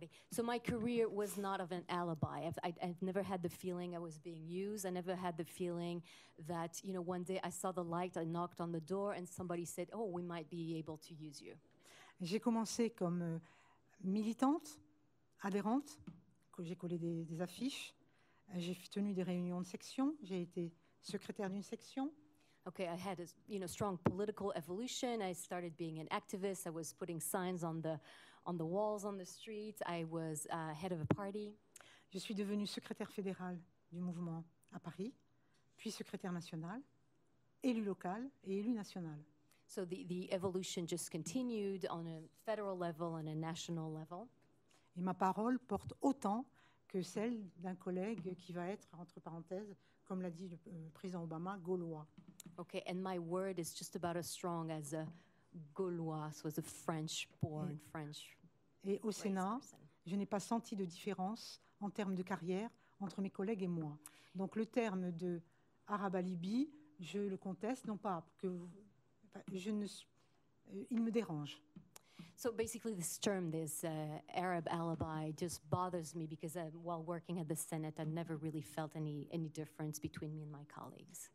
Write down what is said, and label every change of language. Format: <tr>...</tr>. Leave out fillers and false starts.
<en>So my career was not of an alibi. I've never had the feeling I was being used. I never had the feeling that, you know, one day I saw the light, I knocked on the door, and somebody said, oh, we might be able to use you.</en> <fr>J'ai commencé comme militante, adhérente, que j'ai collé des affiches. J'ai tenu des réunions de section. J'ai été secrétaire d'une section.</fr> <en>Okay, I had a strong political evolution. I started being an activist. I was putting signs on the walls on the street. I was head of a party.</en> <fr>Je suis devenue secrétaire fédérale du mouvement à Paris, puis secrétaire nationale, élue locale et élue nationale.</fr> <en>So the evolution just continued on a federal level and a national level.</en> <fr>Et ma parole porte autant que celle d'un collègue qui va être, entre parenthèses, comme l'a dit le président Obama, gaulois.</fr> <en>Okay, and my word is just about as strong as a Gaulois, so as a French-born French.</en> <fr>Et au Sénat, je n'ai pas senti de différence en termes de carrière entre mes collègues et moi. Donc le terme de Arabe à Libye, je le conteste, non pas que il me dérange.</fr> <en>So basically this term, this Arab alibi, just bothers me because while working at the Senate, I've never really felt any difference between me and my colleagues.</en>